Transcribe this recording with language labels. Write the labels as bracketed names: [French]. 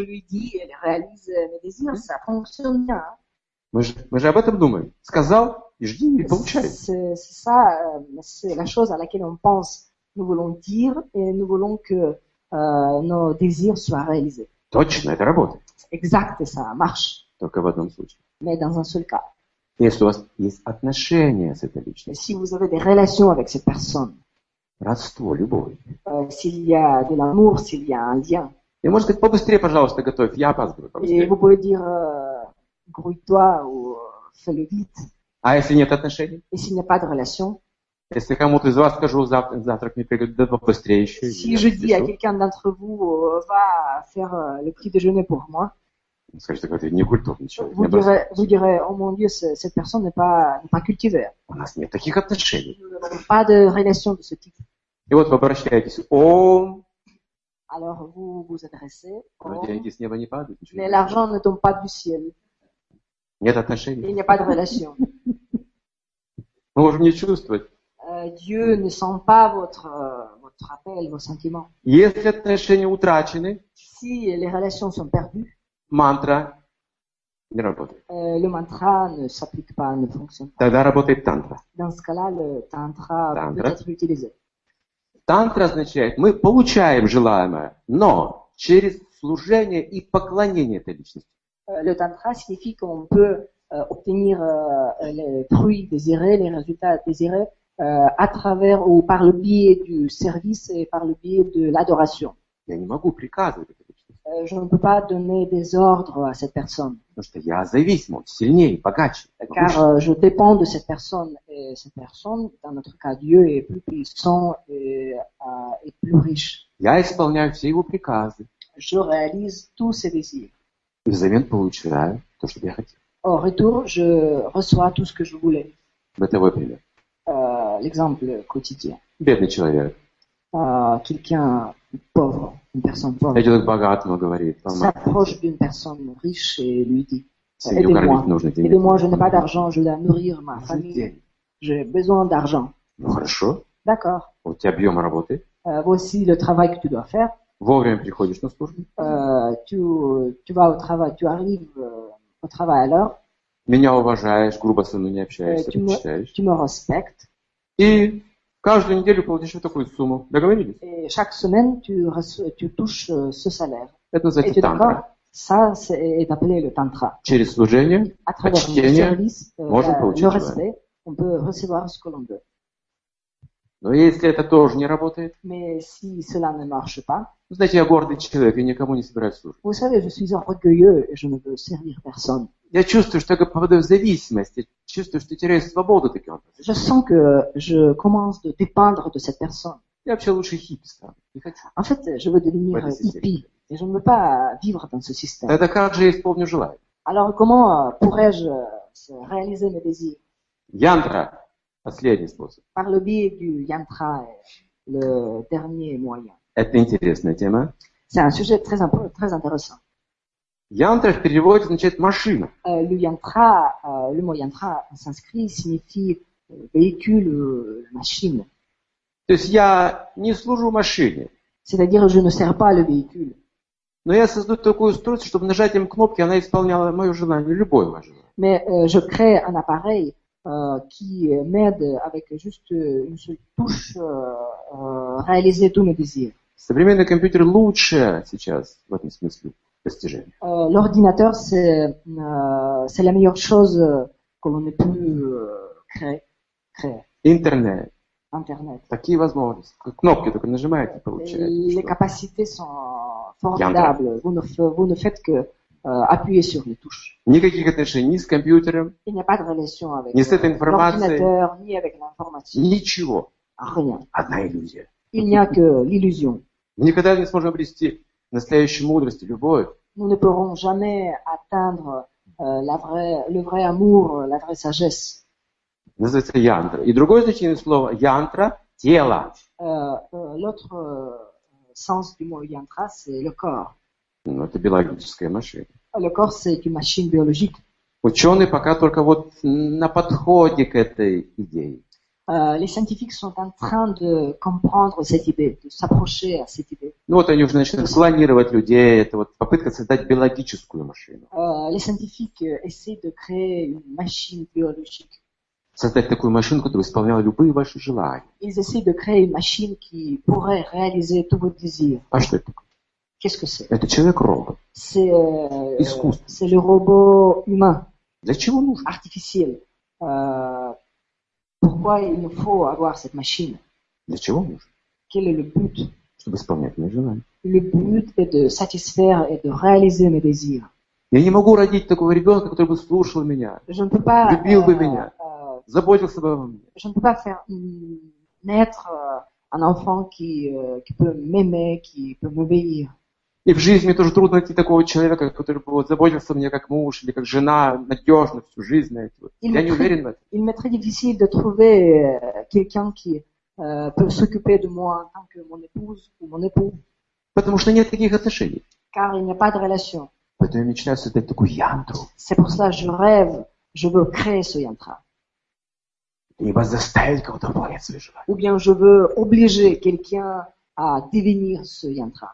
[French] Je lui dis, elle réalise mes désirs, ça fonctionne bien. [Russian] Мы же об этом думаем. Сказал, и жди, и получается. [French] C'est la chose à laquelle on pense. Nous voulons dire, et nous voulons que nos désirs soient réalisés. [Russian] Точно, это работает. [French] Exact, ça marche. [Russian] Только в одном случае. [French] Mais dans un seul cas. [Russian] Если у вас есть отношения с этой личностью. [French] Si vous avez des relations avec cette personne. [Russian] Родство, любовь. [French] S'il y a de l'amour, s'il y a un lien. [Russian] И можно сказать, побыстрее, пожалуйста, готовь, я опаздываю, побыстрее. [French] Et vous pouvez dire... Грудь-то, фэлю вид. [Russian] А если нет отношений? Если нет отношений? Если кому-то из вас скажу, завтрак мне приготовить, да побыстрее еще. [French] Si je dis à quelqu'un d'entre vous, va faire le petit déjeuner pour moi. [Russian] Скажите, какой-то некультурный человек. [French] Vous direz, oh mon Dieu, cette personne n'est pas cultivée. [Russian] У нас нет таких отношений. [French] Pas de relation de ce type. [Russian] И вот вы обращаетесь, ом. [French] Alors vous vous adressez, ом. [Russian] Деньги с неба не падают. [French] Mais l'argent ne tombe pas du ciel. [Russian] Нет отношений. [French] Il n'y a pas de relation. [Russian] Мы можем не чувствовать. [French] Dieu ne sent pas votre appel, vos sentiments. [Russian] Если отношения утрачены, [French] si les relations sont perdues, [Russian] мантра не работает. [French] Le mantra ne s'applique pas, ne fonctionne pas. [Russian] Тогда работает тантра. [French] Dans ce cas-là, le tantra peut être utilisé. [Russian] Тантра означает, мы получаем желаемое, но через служение и поклонение этой личности. [French] Le tantra signifie qu'on peut obtenir les fruits désirés, les résultats désirés à travers ou par le biais du service et par le biais de l'adoration. [Russian] Я не могу приказывать этой личности. [French] Je ne peux pas donner des ordres à cette personne. [Russian] Потому что я зависим, он сильнее, богаче. [French] Car je dépends de cette personne et cette personne, dans notre cas Dieu, est plus puissant et plus riche. [Russian] Я исполняю все его приказы. [French] Je réalise tous ses désirs. [Russian] Взамен получаю то, что я хотел. [French] En retour, je reçois tout ce que je voulais. [Russian] Бытовой пример. [French] L'exemple quotidien. [Russian] Бедный человек. [French] Quelqu'un pauvre, une personne pauvre. [Russian] Идет к богатому, говорит. [French] S'approche d'une personne riche et lui dit, aidez-moi, je n'ai pas d'argent, je dois nourrir ma famille. J'ai besoin d'argent. [Russian] Хорошо. [French] D'accord. [Russian] Вот тебе объем работы. [French] Voici le travail que tu dois faire. [Russian] Вовремя приходишь на службу. [French] Tu vas au travail, tu arrives au travail à l'heure. [Russian] Меня уважаешь, грубо со мной не общаешься, почитаешь. [French] Tu me respectes. [Russian] И каждую неделю получишь вот такую сумму. Договорились? [French] Et chaque semaine, tu touches ce salaire. [Russian] Это называется et тантра. [French] Ça, c'est appelé le тантра. [Russian] Через служение, [French] à travers [Russian] почтение, [French] service, [Russian] можем получить [French] le respect, on peut recevoir ce que l'on veut. [Russian] Но если это тоже не работает, [French] si cela ne marche pas, [Russian] вы знаете, я гордый человек, я никому не собираюсь служить. [French] Vous savez, je suis orgueilleux et je ne veux servir personne. [Russian] Я чувствую, что я попадаю в зависимость, я чувствую, что теряю свободу таким образом. [French] Je sens que je commence de dépendre de cette personne. [Russian] Я вообще лучше хипстер. [French] En fait, je veux devenir hippie et je ne veux pas vivre dans ce système. [Russian] Тогда как же я исполню желание? [French] Alors, comment pourrais-je réaliser mes désirs? [Russian] Янтра. Последний способ. [French] Par le biais du yantra, le dernier moyen. [Russian] Это интересная тема. [French] C'est un sujet très, très intéressant. [Russian] Yantra в переводе означает машина. [French] Le yantra, le mot yantra en sanskrit signifie véhicule, machine. [Russian] То есть я не служу машине. [French] C'est-à-dire je ne sers pas le véhicule. [Russian] Но я создаю такую устройство, чтобы нажатием кнопки она исполняла мое желание, любое мое желание. [French] Mais je crée un appareil qui m'aide avec juste une seule touche réaliser tous mes désirs. [Russian] Современный компьютер лучше сейчас в этом смысле достижения. [French] L'ordinateur c'est la meilleure chose que l'on ait pu créer. [Russian] Internet. [French] Internet. [Russian] Такие возможности. Кнопки только нажимаете и получаете. [French] Les capacités sont formidables. Vous ne faites que appuyer sur les touches. [Russian] Никаких отношений ни с компьютером, [French] il n'y a pas de relation avec, [Russian] ни с этой информацией, [French] ni avec l'informatique. [Russian] Ничего. [French] Rien. [Russian] Одна иллюзия. [French] Il n'y a que l'illusion. [Russian] Мы никогда не сможем обрести настоящую мудрость и любовь. [French] Nous ne pourrons jamais atteindre le vrai amour, la vraie sagesse. [Russian] Называется янтра. И другое значение слова янтра – тело. [French] L'autre sens du mot янтра – c'est le corps. [Russian] Ну, это биологическая машина. [French] Le corps, c'est une machine biologique. [Russian] Ученые пока только вот на подходе к этой идее. [French] Les scientifiques sont en train de comprendre cette idée, de s'approcher à cette idée. [Russian] Ну, вот они уже начинают клонировать людей, это вот попытка создать биологическую машину. [French] Les scientifiques essaient de créer une machine biologique. [Russian] Создать такую машину, которая исполняла любые ваши желания. [French] Ils essaient de créer une machine qui pourrait réaliser tous vos désirs. [Russian] А что это такое? [French] Qu'est-ce que c'est? [Russian] Это человек-робот. [French] C'est, [Russian] искусство. [French] C'est le robot humain. [Russian] Для чего нужно? [French] Artificiel. Pourquoi il nous faut avoir cette machine? [Russian] Для чего нужно? [French] Quel est le but? [Russian] Чтобы исполнять мои желания. [French] Le but est de satisfaire et de réaliser mes désirs. [Russian] Я не могу родить такого ребенка, который бы слушал меня, [French] je ne peux pas, [Russian] любил бы меня, заботился бы обо мне. [French] Je ne peux pas faire naître un enfant qui peut m'aimer, qui peut m'obéir. [Russian] И в жизни мне тоже трудно найти такого человека, который бы заботился о мне как муж или как жена, надежно всю жизнь. Знаете, вот. Я не уверен в этом. [French] Il m'est très difficile de trouver quelqu'un qui peut s'occuper de moi en tant que mon épouse ou mon époux. [Russian] Потому что нет таких отношений. [French] Car il n'y a pas de relation. [Russian] Поэтому я мечтаю создать такую янтру. [French] C'est pour cela que je rêve, je veux créer ce yantra. [Russian] Либо заставить кого-то выполнять свои желания. [French] Ou bien je veux obliger quelqu'un à devenir ce yantra.